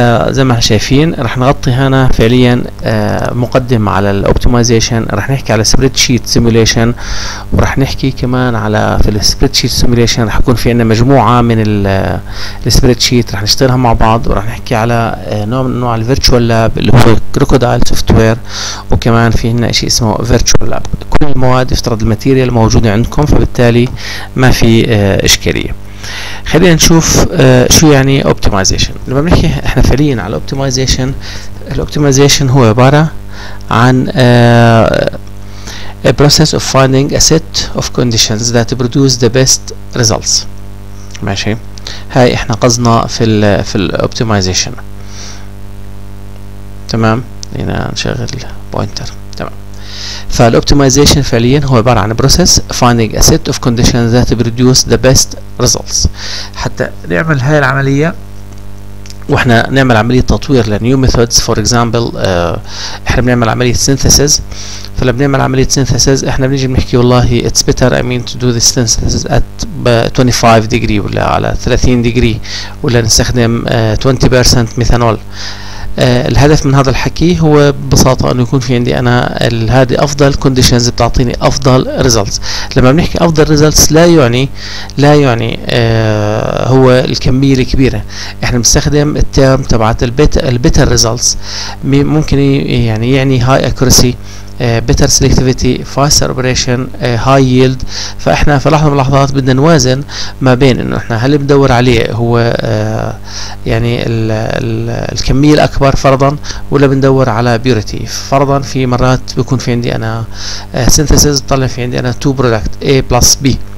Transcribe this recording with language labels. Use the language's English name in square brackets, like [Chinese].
[Arabic] زي ما شايفين رح نغطي هنا فعليا مقدم على الأوبتيمايزيشن، رح نحكي على سبريد شيت سيميوليشن، ورح نحكي كمان على في السبريد شيت سيميوليشن رح يكون في عنا مجموعة من السبريد شيت رح نشتغلها مع بعض، ورح نحكي على نوع من نوع الفيرتشوال لاب اللي هو كروكودايل سوفت وير، وكمان في عنا شيء اسمه فيرتشوال لاب. كل المواد افترض الماتيريال موجودة عندكم، فبالتالي ما في إشكالية. خلينا نشوف شو يعني اوبتمايزيشن. لما بنحكي احنا فعليا على اوبتمايزيشن، الاوبتمايزيشن هو عباره عن [English] a process of finding a set of conditions that produce the best results. [Arabic] ماشي، هاي احنا قصدنا في الاوبتمايزيشن. تمام، هنا نشغل بوينتر. فالoptimization فعليا هو عبارة عن [English] process finding a set of conditions that produce the best results. [Arabic] حتى نعمل هاي العملية، واحنا نعمل عملية تطوير لنيو ميثودز فور اكزامبل، احنا بنعمل عملية synthesis. فلما بنعمل عملية synthesis احنا بنيجي بنحكي والله [English] it's better I mean to do this synthesis at 25 degree [Arabic] ولا على 30 degree ولا نستخدم 20% ميثانول. الهدف من هذا الحكي هو ببساطة انه يكون في عندي انا هذه افضل conditions بتعطيني افضل results. لما بنحكي افضل results لا يعني هو الكمية الكبيرة. احنا بنستخدم التيرم تبعت البيتر results، ممكن يعني [English] high accuracy، better selectivity، faster operation، high yield. [Arabic] فاحنا في لحظة من اللحظات بدنا نوازن ما بين انه احنا هل بندور عليه هو يعني الكمية الاكبر فرضا، ولا بندور على purity. فرضا في مرات بكون في عندي انا synthesis بطلع في عندي انا [English] two product A plus B.